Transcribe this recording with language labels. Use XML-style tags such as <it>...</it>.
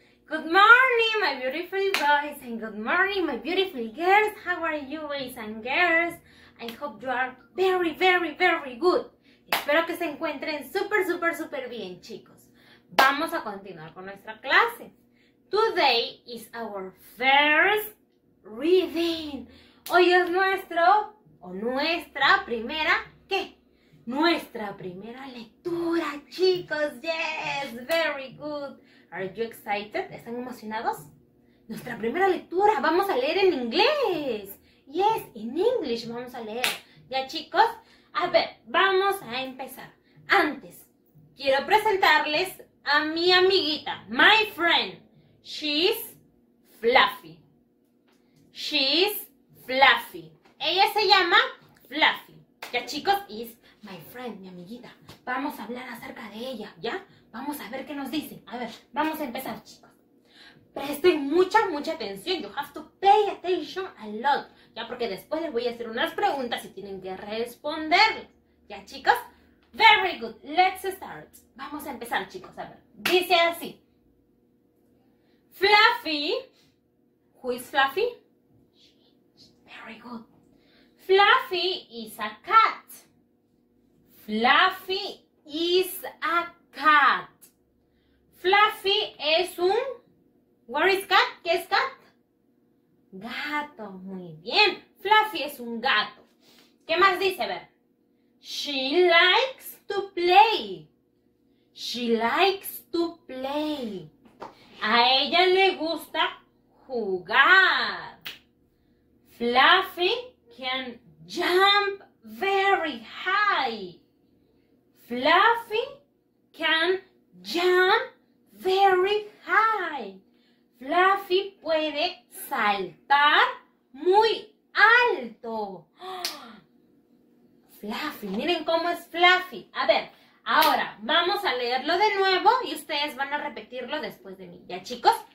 <en>Good morning, my beautiful boys, and good morning, my beautiful girls. How are you, boys and girls? I hope you are very, very, very good.</en> <es>Espero que se encuentren súper, súper, súper bien, chicos. Vamos a continuar con nuestra clase.</es> <en>Today is our first reading.</en> <es>Hoy es nuestra primera, ¿qué? Nuestra primera lectura, chicos.</es> <en>Yes, very good. Are you excited?</en> <es>¿Están emocionados? Nuestra primera lectura, vamos a leer en inglés.</es> <en>Yes, in English</en> <es>vamos a leer. ¿Ya, chicos? A ver, vamos a empezar. Antes, quiero presentarles a mi amiguita,</es> <en>my friend. She's Fluffy. She's Fluffy.</en> <es>Ella se llama Fluffy. ¿Ya, chicos?</es> <en>Is my friend,</en> <es>mi amiguita. Vamos a hablar acerca de ella, ¿ya? Vamos a ver qué nos dice. A ver, vamos a empezar, chicos. Presten mucha, mucha atención.</es> <en>You have to pay attention a lot.</en> <es>Ya, porque después les voy a hacer unas preguntas y tienen que responder. ¿Ya, chicos?</es> <en>Very good. Let's start.</en> <es>Vamos a empezar, chicos. A ver, dice así. Fluffy.</es> <en>Who is Fluffy? Very good. Fluffy is a cat. Fluffy is a cat.</en> <es>Fluffy es un...</es> <en>Where is cat?</en> <es>¿Qué es cat? Gato. Muy bien. Fluffy es un gato. ¿Qué más dice? A ver.</es> <en>She likes to play. She likes to play.</en> <es>A ella le gusta jugar.</es> <en>Fluffy can jump very high. Fluffy can jump very high.</en> <es>Fluffy puede saltar muy alto. Fluffy, miren cómo es Fluffy. A ver, ahora vamos a leerlo de nuevo y ustedes van a repetirlo después de mí. ¿Ya, chicos?</es>